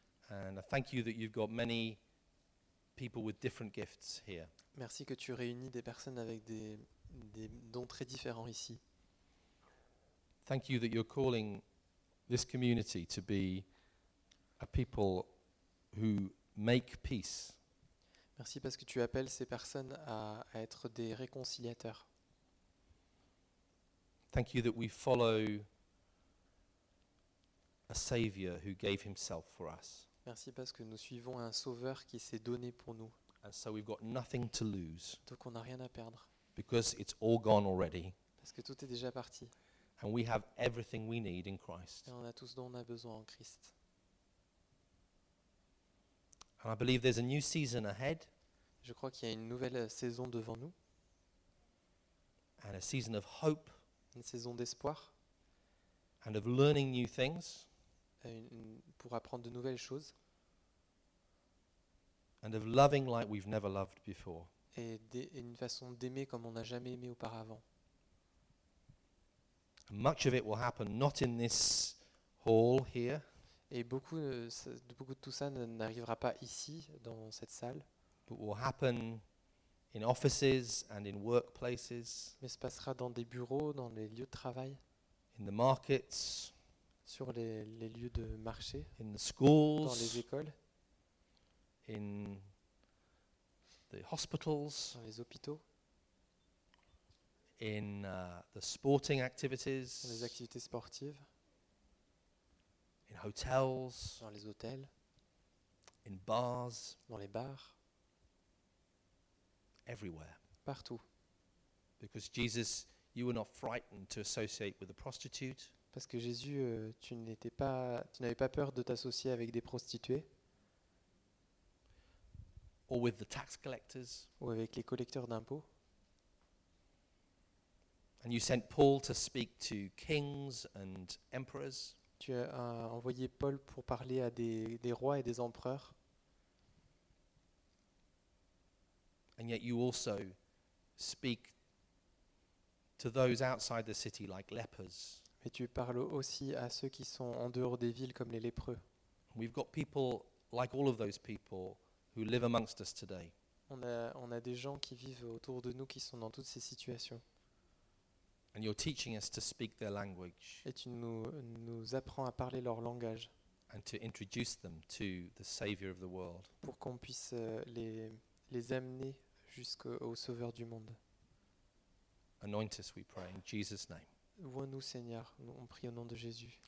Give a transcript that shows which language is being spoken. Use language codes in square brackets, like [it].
[en] And I thank you that you've got many people with different gifts here. [fr] Merci que tu réunis des personnes avec des dons très différents ici. [en] Thank you that you're calling this community to be a people who make peace. [fr] Merci parce que tu appelles ces personnes à être des réconciliateurs. [en] Thank you that we follow a savior who gave himself for us. [fr] Merci parce que nous suivons un sauveur qui s'est donné pour nous. [en] And so we've got nothing to lose. [fr] Donc on n'a rien à perdre. [en] Because it's all gone already. [fr] Parce que tout est déjà parti. [en] And we have everything we need in Christ. [fr] Et on a tout ce dont on a besoin en Christ. [en] And I believe there's a new season ahead. [fr] Je crois qu'il y a une nouvelle saison devant nous. [en] And a season of hope. [fr] Une saison d'espoir. [en] And of learning new things. [fr] Pour apprendre de nouvelles choses. [en] And of loving like we've never loved before. [fr] Et une façon d'aimer comme on n'a jamais aimé auparavant. [en] And much of it will happen not in this hall here. [fr] Et beaucoup de tout ça n'arrivera pas ici, dans cette salle. [en] But will happen in offices and in workplaces. [fr] Mais se passera dans des bureaux, dans les lieux de travail. [en] In the markets. [fr] Sur les lieux de marché. [en] In the schools. [fr] Dans les écoles. [en] In the hospitals. [fr] Dans les hôpitaux. [en] In the sporting activities. [fr] Dans les activités sportives. [en] In hotels, [fr] dans les hôtels, [en] in bars, [fr] dans les bars, [en] everywhere, [fr] partout. [en] Because Jesus, you were not frightened to associate with a prostitute. [fr] Parce que Jésus, tu n'avais pas peur de t'associer avec des prostituées. [en] Or with the tax collectors. [fr] Ou avec les collecteurs d'impôts. [en] And you sent Paul to speak to kings and emperors. [fr] Tu as envoyé Paul pour parler à des rois et des empereurs. [en] And yet you also speak to those outside the city like lepers. [fr] Mais tu parles aussi à ceux qui sont en dehors des villes comme les lépreux. [en] We've got people like all of those people who live amongst us today. [fr] On a des gens qui vivent autour de nous qui sont dans toutes ces situations. [en] And you're teaching us to speak their language. [fr] Et tu nous apprends à parler leur langage. [en] And to introduce them to the Savior of the world. [fr] Pour qu'on puisse les amener jusqu'au Sauveur du monde. [en] Anoint us, we pray, in Jesus' name. [fr] Vois-nous, Seigneur, on prie au nom de Jésus.